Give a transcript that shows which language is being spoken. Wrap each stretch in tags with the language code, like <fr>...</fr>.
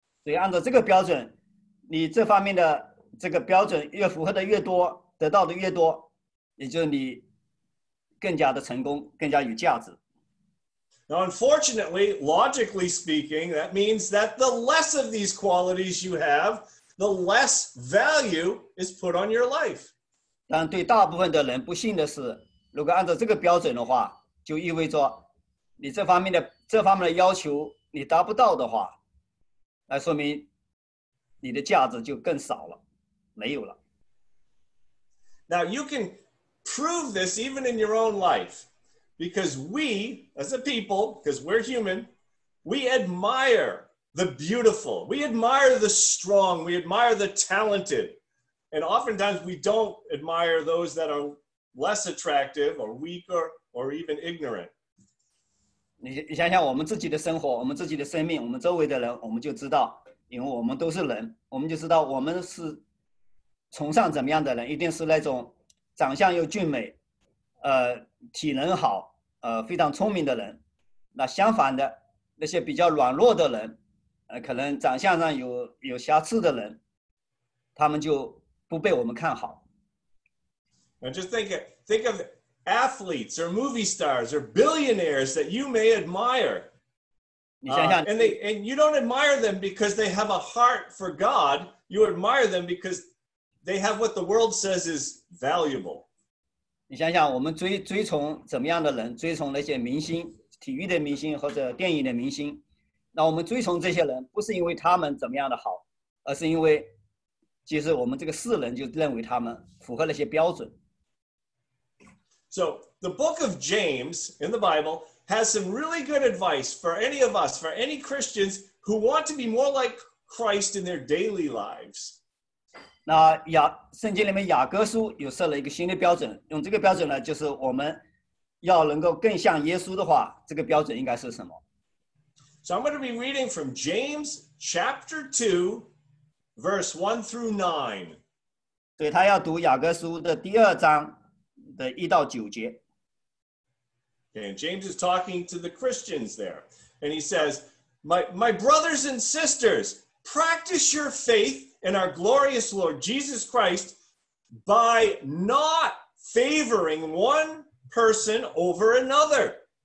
<zh>所以按照这个标准你这方面的这个标准越符合的越多，得到的越多，也就是你更加的成功，更加有价值。</zh> <en>Now, unfortunately, logically speaking, that means that the less of these qualities you have, the less value is put on your life.</en> <zh>但对大部分的人不幸的是，如果按照这个标准的话，就意味着你这方面的要求你达不到的话，来说明。你的价值就更少了，没有了。</zh> <en>Now you can prove this even in your own life, because we, as a people, because we're human, we admire the beautiful, we admire the strong, we admire the talented, and oftentimes we don't admire those that are less attractive or weaker or even ignorant.</en> <zh>你想想我们自己的生活，我们自己的生命，我们周围的人，我们就知道。因为我们都是人，我们就知道我们是崇尚怎么样的人，一定是那种长相又俊美，体能好，非常聪明的人。那相反的，那些比较软弱的人，可能长相上有瑕疵的人，他们就不被我们看好。</zh> <en>Now just think of athletes or movie stars or billionaires that you may admire. And you don't admire them because they have a heart for God. You admire them because they have what the world says is valuable.</en> <zh>你想想，我们追崇怎么样的人？追崇那些明星、体育的明星或者电影的明星，那我们追从这些人不是因为他们怎么样的好，而是因为其实我们这个世人就认为他们符合了一些标准。</zh> <en>So the book of James in the Bible has some really good advice for any of us, for any Christians who want to be more like Christ in their daily lives.</en> <zh>那圣经里面雅各书有设了一个新的标准，用这个标准呢，就是我们要能够更像耶稣的话，这个标准应该是什么？</zh> <en>So I'm going to be reading from James chapter 2, verse 1 through 9.</en> <zh>对，他要读雅各书的第二章的一到九节。</zh> <en>And James is talking to the Christians there. And he says, my brothers and sisters, practice your faith in our glorious Lord Jesus Christ by not favoring one person over another.</en>